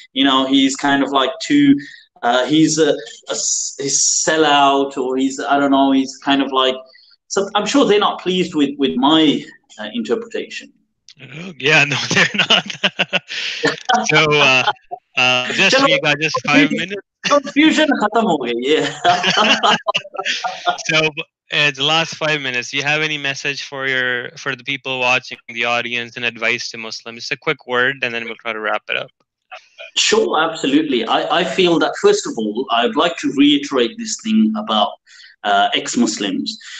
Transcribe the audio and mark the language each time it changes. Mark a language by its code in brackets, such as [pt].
[en] You know, he's kind of like too, he's a sellout, or he's, I don't know, he's kind of like, so I'm sure they're not pleased with my interpretation. Yeah, no, they're not. So, just for you guys, just 5 minutes. [ur] Confusion، ختم ہو گئی، yeah. [en] So, Ed, last 5 minutes. Do you have any message for the people watching, the audience, and advice to Muslims? Just a quick word, and then we'll try to wrap it up. Sure, absolutely. I feel that, first of all, I'd like to reiterate this thing about ex-Muslims.